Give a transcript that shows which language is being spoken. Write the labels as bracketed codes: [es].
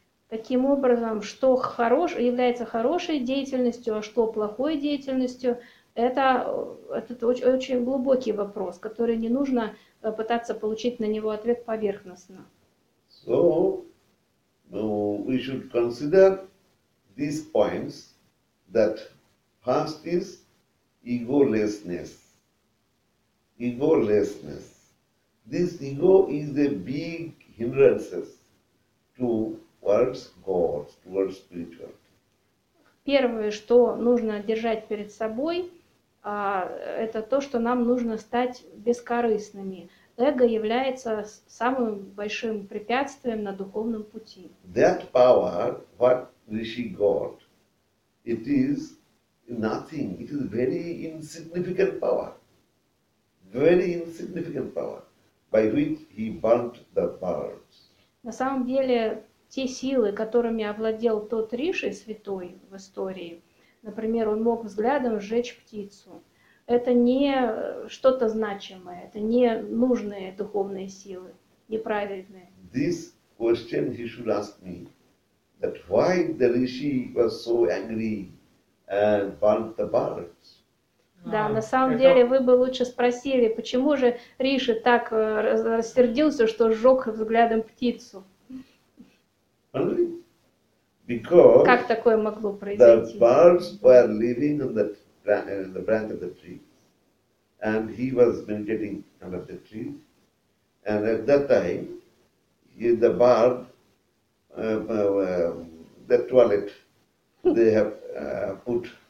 [ru] Таким образом, что является хорошей деятельностью, а что плохой деятельностью, это очень, очень глубокий вопрос, который не нужно пытаться получить на него ответ поверхностно. [en] So, we should consider these points, that first is egolessness. Egolessness. This ego is a big hindrance to towards God, towards spirituality. [ru] Первое, что нужно держать перед собой, это то, что нам нужно стать бескорыстными. Эго является самым большим препятствием на духовном пути. [en] That power, what Rishi got, it is nothing. It is very insignificant power. Very insignificant power, by which he burnt the birds. [ru] На самом деле, те силы, которыми овладел тот Риши, святой в истории, например, он мог взглядом сжечь птицу. Это не что-то значимое, это не нужные духовные силы, неправильные. [en] This question he should ask me, that why the Rishi was so angry and burnt the birds? [ru] Да, на самом деле вы бы лучше спросили, почему же Риши так рассердился, что сжег взглядом птицу? [en] Because [ru] как такое могло произойти? [en] The birds were living in the branch of the tree, and he was meditating under the tree, and at that time, the bird, the toilet, they have put.